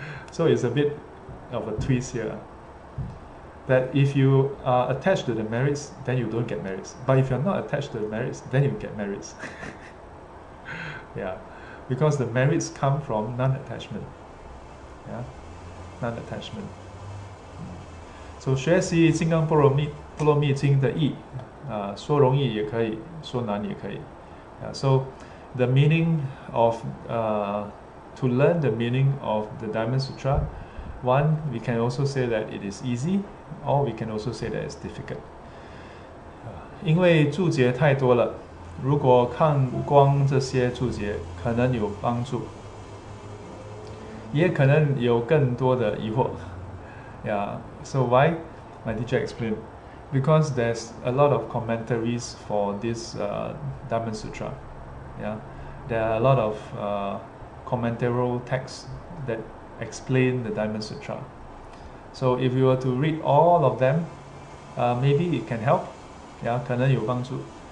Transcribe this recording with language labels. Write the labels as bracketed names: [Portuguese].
[English] So it's a bit of a twist here, that if you are attached to the merits, then you don't get merits, but if you're not attached to the merits, then you get merits. Yeah, because the merits come from non-attachment. Yeah, non-attachment. [Chinese] So 学习金刚般若蜜经的意，说容易也可以，说难也可以. [English] So the meaning of to learn the meaning of the Diamond Sutra, one, we can also say that it is easy, or we can also say that it's difficult. [Chinese] 因为注解太多了，如果看光这些注解，可能有帮助，也可能有更多的疑惑. [English] So why? My teacher explained, because there's a lot of commentaries for this Diamond Sutra. Yeah, there are a lot of commentarial texts that explain the Diamond Sutra. So if you were to read all of them, maybe it can help. Yeah, [Chinese] 可能有帮助.